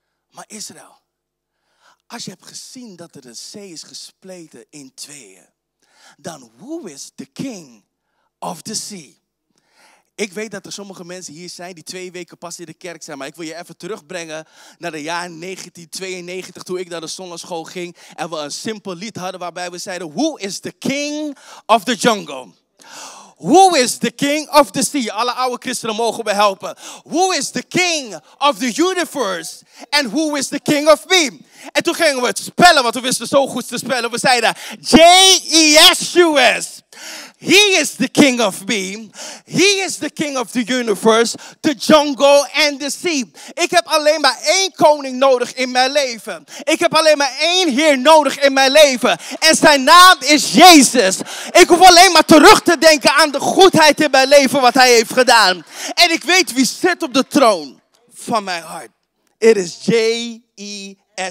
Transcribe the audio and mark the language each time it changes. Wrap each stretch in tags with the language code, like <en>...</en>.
<nl>Maar Israël, als je hebt gezien dat er een zee is gespleten in tweeën, dan</nl> <en>who is the king of the sea?</en> <nl>Ik weet dat er sommige mensen hier zijn die 2 weken pas in de kerk zijn. Maar ik wil je even terugbrengen naar de jaar 1992 toen ik naar de zonneschool ging. En we een simpel lied hadden waarbij we zeiden,</nl> <en>who is the king of the jungle? Who is the king of the sea?</en> <nl>Alle oude christenen mogen me helpen.</nl> <en>Who is the king of the universe? And who is the king of me?</en> <nl>En toen gingen we het spellen, want we wisten zo goed te spellen. We zeiden,</nl> <en>J-E-S-U-S. He is the king of me. He is the king of the universe, the jungle and the sea.</en> <nl>Ik heb alleen maar 1 koning nodig in mijn leven. Ik heb alleen maar 1 heer nodig in mijn leven. En zijn naam is Jezus. Ik hoef alleen maar terug te denken aan de goedheid in mijn leven wat hij heeft gedaan. En ik weet wie zit op de troon van mijn hart.</nl> <en>It is J-E-S-U-S.</en>